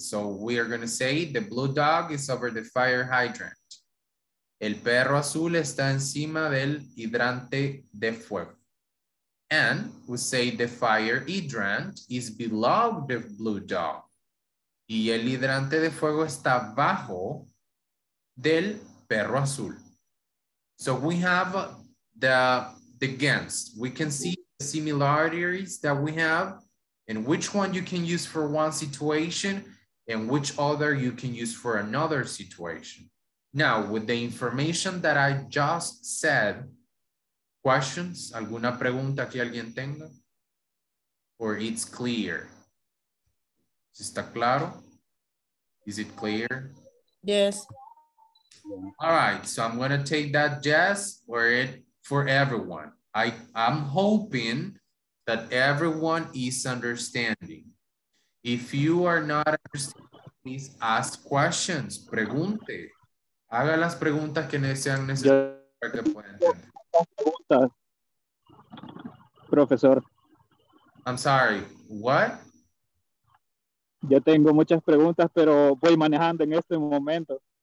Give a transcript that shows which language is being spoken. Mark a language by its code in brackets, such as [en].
[en] So we are going to say, the blue dog is over the fire hydrant. [es] El perro azul está encima del hidrante de fuego. [en] And we say the fire hydrant is below the blue dog. [es] Y el hidrante de fuego está bajo del perro azul. [en] So we have the against. We can see the similarities that we have and which one you can use for one situation and which other you can use for another situation. Now, with the information that I just said, questions? [es] ¿Alguna pregunta que alguien tenga? [en] Or it's clear? [es] ¿Está claro? [en] Is it clear? Yes. All right, so I'm going to take that yes or it for everyone. I'm hoping that everyone is understanding. If you are not understanding, please ask questions. [es] Pregunte. Haga las preguntas que sean necesarias para que puedan entender. Profesor. [en] I'm sorry, what? [es] Yo tengo muchas preguntas, pero voy manejando en este momento.